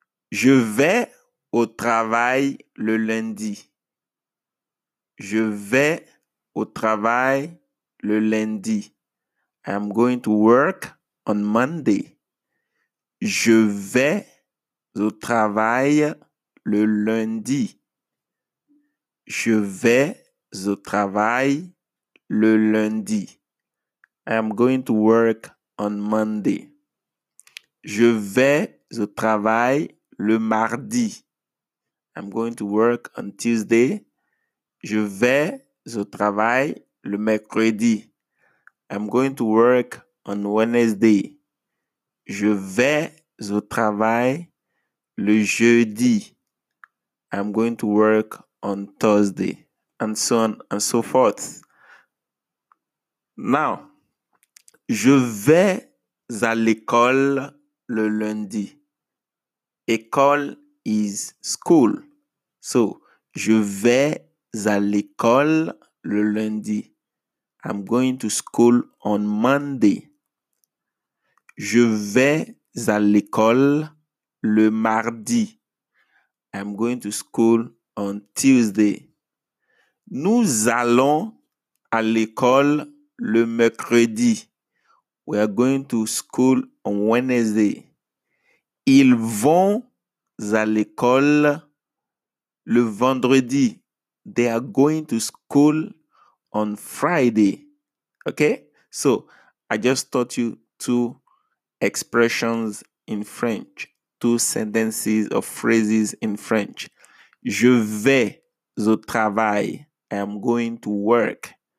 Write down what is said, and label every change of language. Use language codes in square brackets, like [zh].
[fr] Je vais au travail le lundi. Je vais au travail le lundi. [en] I am going to work on Monday. [fr] Je vais au travail le lundi. Je vais au travail le lundi. [en] I am going to work on Monday. [fr] Je vais au travail le mardi. [en] I'm going to work on Tuesday. [fr] Je vais au travail le mercredi. [en] I'm going to work on Wednesday. [fr] Je vais au travail le jeudi. [en] I'm going to work on Thursday. And so on and so forth. Now, [fr] je vais à l'école le lundi. École [en] is school. So, [fr] je vais à l'école le lundi. [en] I'm going to school on Monday. [fr] Je vais à l'école le mardi. [en] I'm going to school on Tuesday. [fr] Nous allons à l'école le mercredi. [en] We are going to school on Wednesday. [fr] Ils vont à l'école le vendredi. [en] They are going to school on Friday. Okay? So, I just taught you two expressions in French. Two sentences or phrases in French. [fr] Je vais au travail. [en] I am going to work.